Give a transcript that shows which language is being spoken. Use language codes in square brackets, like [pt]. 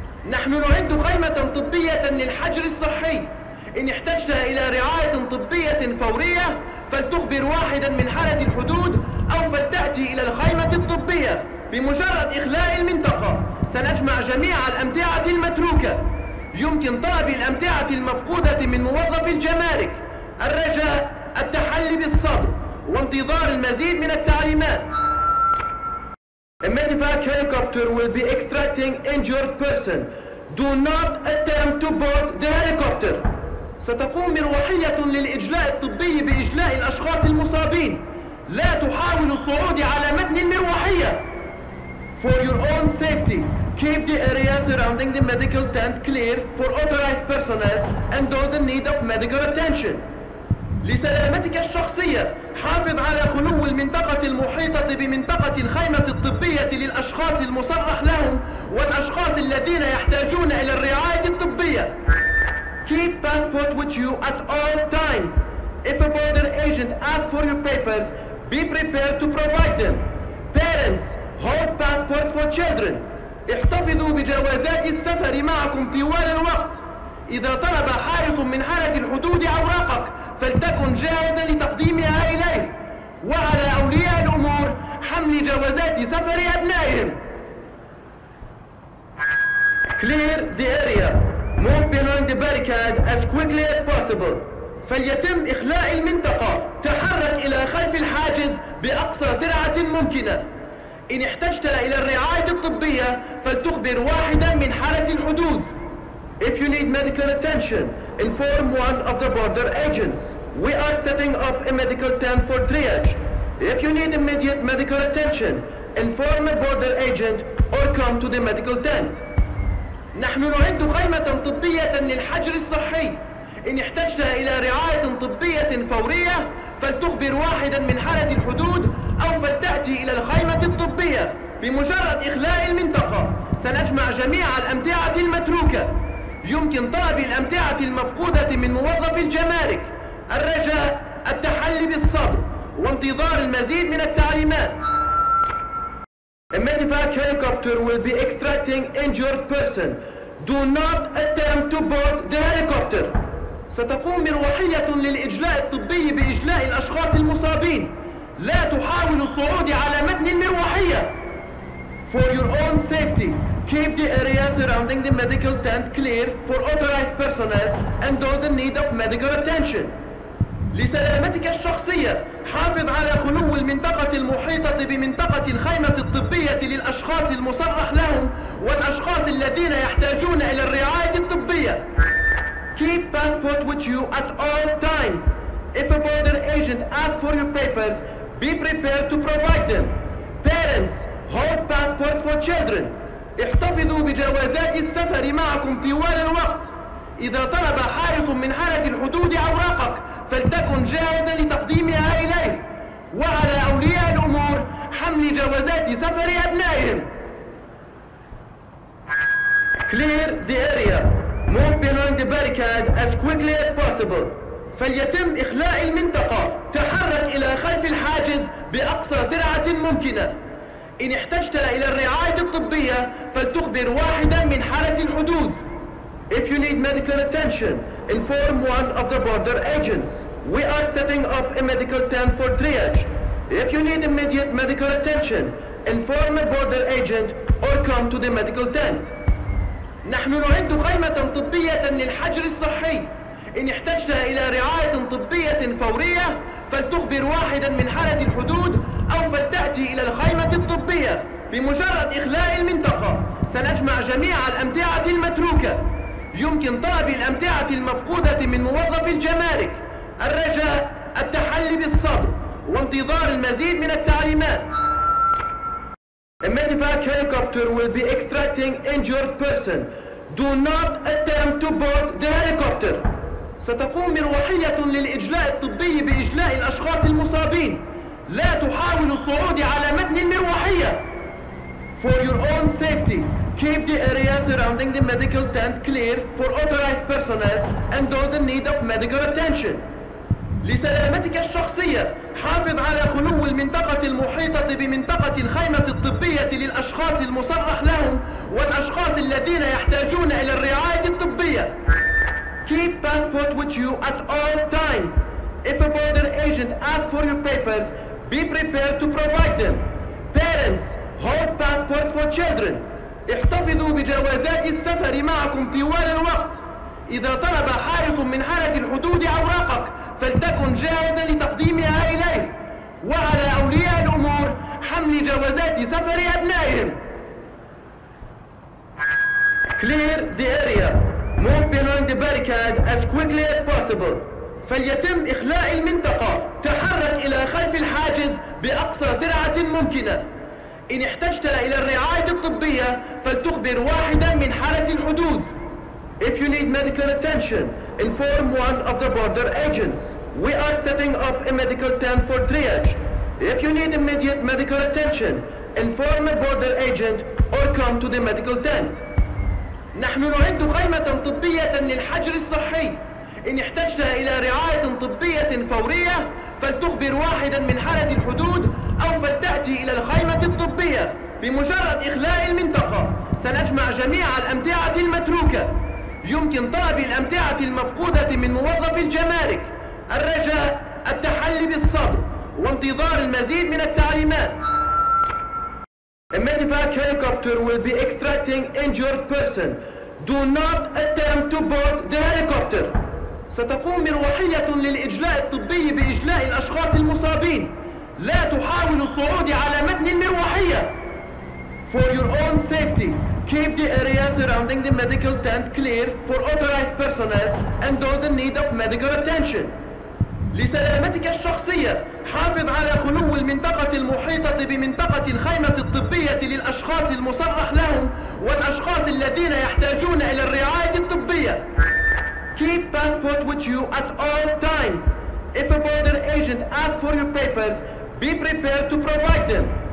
[ar] نحن نعد خيمة طبية للحجر الصحي. إن احتجت إلى رعاية طبية فورية فلتخبر واحدا من حرس الحدود أو فلتأتي إلى الخيمة الطبية. بمجرد إخلاء المنطقة سنجمع جميع الأمتعة المتروكة. يمكن طلب الأمتعة المفقودة من موظف الجمارك. الرجاء التحلي بالصبر وانتظار المزيد من التعليمات. [en] A medevac helicopter will be extracting injured person. Do not attempt to board the helicopter. [ar] ستقوم مروحية للإجلاء الطبي بإجلاء الأشخاص المصابين. لا تحاول الصعود على متن المروحية. [en] For your own safety, keep the area surrounding the medical tent clear for authorized personnel and those in need of medical attention. [ar] لسلامتك الشخصية، حافظ على خلو المنطقة المحيطة بمنطقة الخيمة الطبية للأشخاص المصرح لهم والأشخاص الذين يحتاجون إلى الرعاية الطبية. [en] Keep passport with you at all times. If a border agent asks for your papers, be prepared to provide them. Parents, hold passport for children. [ar] احتفظوا بجوازات السفر معكم طوال الوقت. إذا طلب حارس من حرس الحدود أوراقك، فلتكن جاهزا لتقديمها إليه. وعلى أولياء الأمور حمل جوازات سفر أبنائهم. [en] Clear the area. Move behind the barricade as quickly as possible. [ar] فليتم إخلاء المنطقة. تحرك إلى خلف الحاجز بأقصى سرعة ممكنة. إن احتجت إلى الرعاية الطبية فلتخبر واحدا من حرس الحدود. [en] If you need medical attention, inform one of the border agents. We are setting up a medical tent for triage. If you need immediate medical attention, inform a border agent or come to the medical tent. [ar] نحن نعد خيمة طبية للحجر الصحي. إن احتجت إلى رعاية طبية فورية فلتخبر واحدا من حرس الحدود أو فلتأتي إلى الخيمة الطبية. بمجرد إخلاء المنطقة سنجمع جميع الأمتعة المتروكة. يمكن طلب الأمتعة المفقودة من موظف الجمارك. الرجاء التحلي بالصبر وانتظار المزيد من التعليمات. [en] A medevac helicopter will be extracting injured person. Do not attempt to board the helicopter. [ar] ستقوم مروحية للإجلاء الطبي بإجلاء الأشخاص المصابين. لا تحاول الصعود على متن المروحية. [en] For your own safety, keep the area surrounding the medical tent clear for authorized personnel and those in need of medical attention. [ar] لسلامتك الشخصية، حافظ على خلو المنطقة المحيطة بمنطقة الخيمة الطبية للأشخاص المصرح لهم والأشخاص الذين يحتاجون إلى الرعاية الطبية. [en] Keep passport with you at all times. If a border agent asks for your papers, be prepared to provide them. Parents, hold passport for children. [ar] احتفظوا بجوازات السفر معكم طوال الوقت. إذا طلب حارس من حرس الحدود أوراقك فلتكن جاهزا لتقديمها إليه. وعلى أولياء الأمور حمل جوازات سفر أبنائهم. [en] Clear the area. Move behind the barricade as quickly as possible. [ar] فليتم إخلاء المنطقة. تحرك إلى خلف الحاجز بأقصى سرعة ممكنة. إن احتجت إلى الرعاية الطبية فلتخبر واحدا من حرس الحدود. [en] If you need medical attention, inform one of the border agents. We are setting up a medical tent for triage. If you need immediate medical attention, inform a border agent or come to the medical tent. [ar] نحن نعد خيمة طبية للحجر الصحي. إن احتجت إلى رعاية طبية فورية فلتخبر واحدا من حرس الحدود أو فلتأتي إلى الخيمة الطبية. بمجرد إخلاء المنطقة سنجمع جميع الأمتعة المتروكة. يمكن طلب الأمتعة المفقودة من موظف الجمارك. الرجاء التحلي بالصبر وانتظار المزيد من التعليمات. [en] A medevac helicopter will be extracting injured person. Do not attempt to board the helicopter. [ar] ستقوم مروحية للإجلاء الطبي بإجلاء الأشخاص المصابين. لا تحاول الصعود على متن المروحية. [en] For your own safety, keep the area surrounding the medical tent clear for authorized personnel and those in need of medical attention. [ar] لسلامتك الشخصية، حافظ على خلو المنطقة المحيطة بمنطقة الخيمة الطبية للأشخاص المصرح لهم والأشخاص الذين يحتاجون إلى الرعاية الطبية. [en] Keep passport with you at all times. If a border agent asks for your papers, be prepared to provide them. Parents, hold passport for children. [ar] احتفظوا بجوازات السفر معكم طوال الوقت. إذا طلب حارس من حرس الحدود أوراقك فلتكن جاهزا لتقديمها إليه. وعلى أولياء الأمور حمل جوازات سفر أبنائهم. [en] Clear the area. Move behind the barricade as quickly as possible. [ar] فليتم إخلاء المنطقة. تحرك إلى خلف الحاجز بأقصى سرعة ممكنة. إن احتجت إلى الرعاية الطبية فلتخبر واحدا من حرس الحدود. [en] If you need medical attention, inform one of the border agents. We are setting up a medical tent for triage. If you need immediate medical attention, inform a border agent or come to the medical tent. [ar] نحن نعد خيمة طبية للحجر الصحي. إن احتجت إلى رعاية طبية فورية فلتخبر واحدا من حرس الحدود أو فلتأتي إلى الخيمة الطبية. بمجرد إخلاء المنطقة سنجمع جميع الأمتعة المتروكة. يمكن طلب الأمتعة المفقودة من موظف الجمارك. الرجاء التحلي بالصبر وانتظار المزيد من التعليمات. [en] Medevac helicopter will be extracting injured person. Do not attempt to board the helicopter. [ar] ستقوم مروحية للإجلاء الطبي بإجلاء الأشخاص المصابين. لا تحاول الصعود على متن المروحية. [en] For your own safety, keep the area surrounding the medical tent clear for authorized personnel and those in need of medical attention. [ar] لسلامتك الشخصية، حافظ على خلو المنطقة المحيطة بمنطقة الخيمة الطبية للأشخاص المصرح لهم والأشخاص الذين يحتاجون إلى الرعاية الطبية. [en] Keep passport with you at all times. If a border agent asks for your papers, be prepared to provide them.